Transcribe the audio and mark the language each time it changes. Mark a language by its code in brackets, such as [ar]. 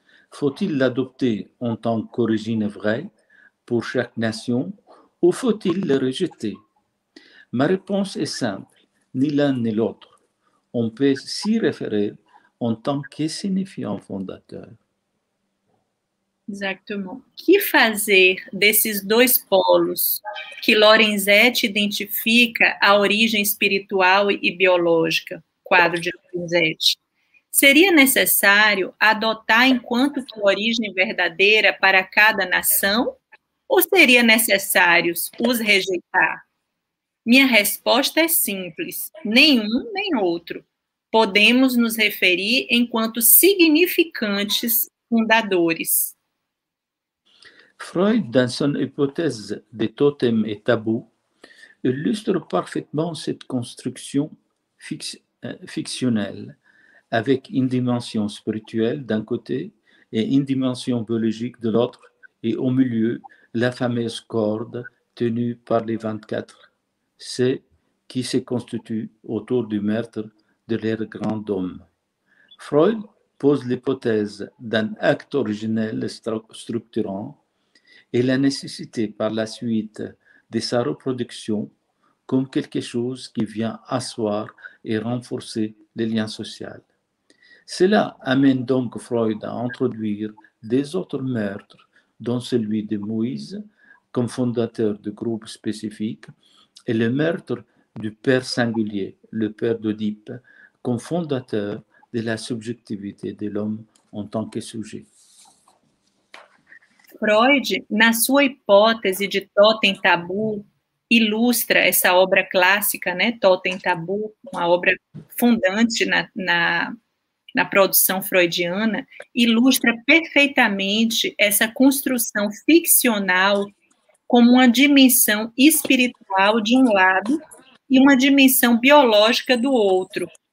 [fr] Faut-il l'adopter en tant qu'origine vraie pour chaque nation ou faut-il le rejeter? Ma réponse est simple, ni l'un ni l'autre. On peut s'y référer en tant que signifiant fondateur. Exactement. [pt] Que fazer desses dois polos que Lorenzetti identifica a origem espiritual e biológica? Quadro de Lorenzetti. Seria necessário adotar enquanto que origem verdadeira para cada nação? Ou seria necessário os rejeitar? Minha resposta é simples. Nenhum nem outro. Podemos nos referir enquanto significantes fundadores. [fr] Freud, dans son hypothèse des totems et tabous, illustre parfaitement cette construction fictionnelle avec une dimension spirituelle d'un côté et une dimension biologique de l'autre et au milieu, la fameuse corde tenue par les 24, c'est qui se constitue autour du meurtre de leur grand homme. Freud pose l'hypothèse d'un acte originel structurant et la nécessité par la suite de sa reproduction comme quelque chose qui vient asseoir et renforcer les liens sociaux. Cela amène donc Freud à introduire des autres meurtres, dont celui de Moïse, comme fondateur de groupes spécifiques, et le meurtre du père singulier, le père d'Oedipe, comme fondateur de la subjectivité de l'homme en tant que sujet. [pt] Freud, na sua hipótese de Totem Tabu, ilustra essa obra clássica, né? Totem Tabu, uma obra fundante na produção freudiana, ilustra perfeitamente essa construção ficcional como uma dimensão espiritual de um lado e uma dimensão biológica do outro.